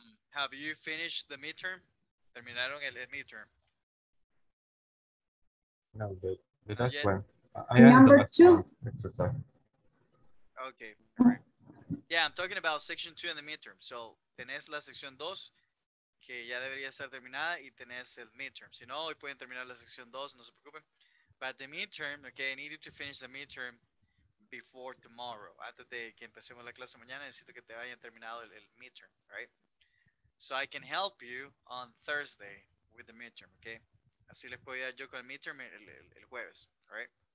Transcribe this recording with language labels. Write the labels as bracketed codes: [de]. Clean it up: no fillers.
[en] Have you finished the midterm? [es] Terminaron el [en] midterm. No, the last one. Number 2. Okay. Right. Yeah, I'm talking about section 2 and the midterm. [es] So, tenés la sección 2, que ya debería estar terminada, y tenés el midterm. Si no, hoy pueden terminar la sección 2, no se preocupen. [en] But the midterm, okay, I need you to finish the midterm before tomorrow. [es] Antes de que empecemos la clase mañana, necesito que te hayan terminado el midterm, [en] right? So I can help you on Thursday with the midterm, okay? [es] Así les puedo ayudar yo con el midterm el jueves, [en] right?